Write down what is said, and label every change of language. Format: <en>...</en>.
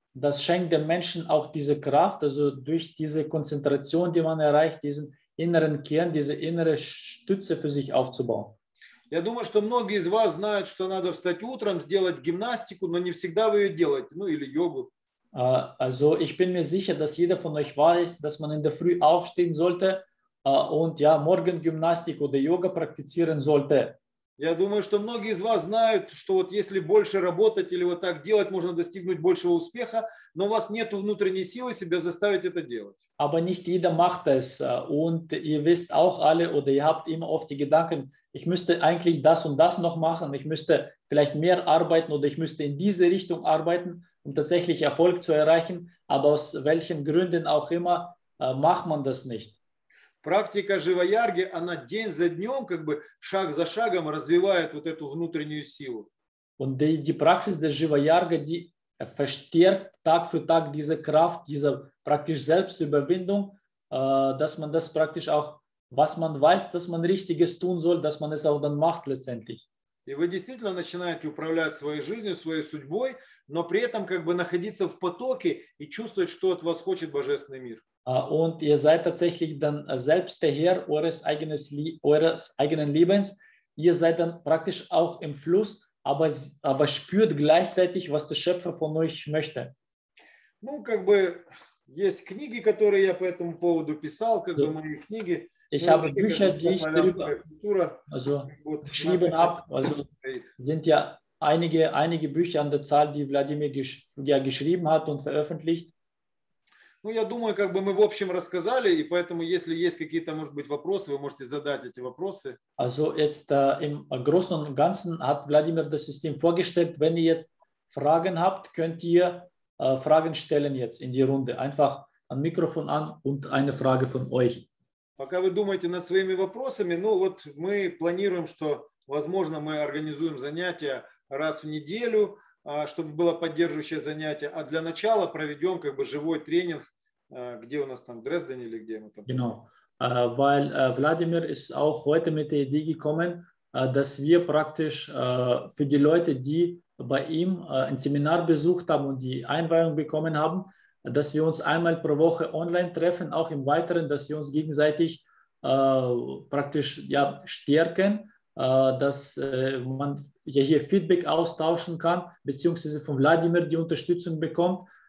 <de>Das schenkt dem Menschen auch diese Kraft, also durch diese Konzentration, die man erreicht, diesen inneren Kern, diese innere Stütze für sich aufzubauen.</de> <ru>Я думаю, что многие из вас знают, что надо встать утром, сделать гимнастику, но не всегда вы ее делаете, ну или йогу.</ru> <de>Also ich bin mir sicher, dass jeder von euch weiß, dass man in der Früh aufstehen sollte und ja, morgen Gymnastik oder Yoga praktizieren sollte.</de> <ru>Я думаю, что многие из вас знают, что вот если больше работать или вот так делать, можно достигнуть большего успеха, но у вас нет внутренней силы себя заставить это делать.</ru> <de>Aber nicht jeder macht es. Und ihr wisst auch alle, oder ihr habt immer oft die Gedanken, ich müsste eigentlich das und das noch machen, ich müsste vielleicht mehr arbeiten oder ich müsste in diese Richtung arbeiten, um tatsächlich Erfolg zu erreichen, aber aus welchen Gründen auch immer, macht man das nicht.</de> <ru>Практика живоярги, она день за днем, как бы шаг за шагом развивает вот эту внутреннюю силу.</ru> <de>Und die Praxis des Живоярги, die verstärkt Tag für Tag diese Kraft, diese praktisch Selbstüberwindung, dass man das praktisch auch, was man weiß, dass man Richtiges tun soll, dass man es auch dann macht letztendlich.</de> <ru>И вы действительно начинаете управлять своей жизнью, своей судьбой, но при этом как бы находиться в потоке и чувствовать, что от вас хочет Божественный мир.</ru> <de>Und ihr seid tatsächlich dann selbst der Herr eures eigenen Lebens. Ihr seid dann praktisch auch im Fluss, aber spürt gleichzeitig, was der Schöpfer von euch möchte.</de> <ru>Ну, как бы, есть книги, которые я по этому поводу писал, как бы мои книги.</ru> <de>Ich habe Bücher, die ich darüber, also geschrieben habe. Also sind ja einige Bücher an der Zahl, die Wladimir geschrieben hat und veröffentlicht.</de> <ru>Ну, я думаю, как бы мы в общем рассказали, и поэтому, если есть какие-то, может быть, вопросы, вы можете задать эти вопросы.</ru> <de>Also jetzt im Großen und Ganzen hat Wladimir das System vorgestellt. Wenn ihr jetzt Fragen habt, könnt ihr Fragen stellen jetzt in die Runde. Einfach ein Mikrofon an und eine Frage von euch.</de> <ru>Пока вы думаете над своими вопросами, ну вот мы планируем, что, возможно, мы организуем занятия раз в неделю, чтобы было поддерживающее занятие, а для начала проведем как бы живой тренинг, где у нас там, в Дрездене или где мы там.</ru> <de>Genau, weil Wladimir ist auch heute mit der Idee gekommen, dass wir praktisch für die Leute, die bei ihm ein Seminar besucht haben und die Einweihung bekommen haben, dass wir uns einmal pro Woche online treffen, auch im Weiteren, dass wir uns gegenseitig praktisch ja, stärken, dass man hier Feedback austauschen kann, beziehungsweise von Wladimir die Unterstützung bekommt.</de>